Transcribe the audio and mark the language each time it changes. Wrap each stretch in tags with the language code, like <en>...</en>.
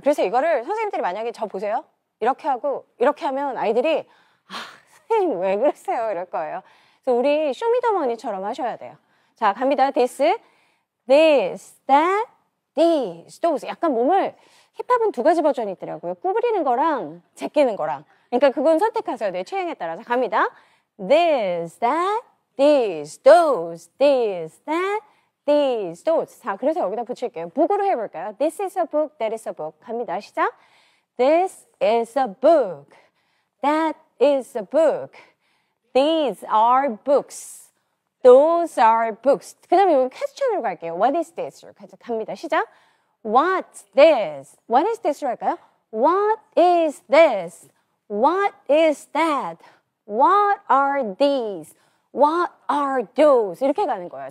<ko>그래서 이거를 선생님들이 만약에 저 보세요. 이렇게 하고 이렇게 하면 아이들이 왜 그러세요? 이럴 거예요. 그래서 우리 쇼미더머니처럼 하셔야 돼요. 자, 갑니다.</ko> <en>This, this, that, these, those.</en> <ko>약간 몸을 힙합은 두 가지 버전이 있더라고요. 구부리는 거랑 제끼는 거랑. 그러니까 그건 선택하세요. 내 취향에 따라서. 갑니다.</ko> <en>This, that, these, those, this, that, these, those.</en> <ko>자, 그래서 여기다 붙일게요. 북으로 해볼까요?</ko> <en>This is a book, that is a book.</en> <ko>갑니다. 시작.</ko> <en>This is a book, that is a book. These are books. Those are books.</en> <ko>그 다음에 우리 퀘스천으로 갈게요.</ko> <en>What is this?</en> <ko>갑니다. 시작.</ko> <en>What's this? What is this?</en> <ko>할까요?</ko> <en>What is this? What is that? What are these? What are those?</en> <ko>이렇게 가는 거예요.</ko>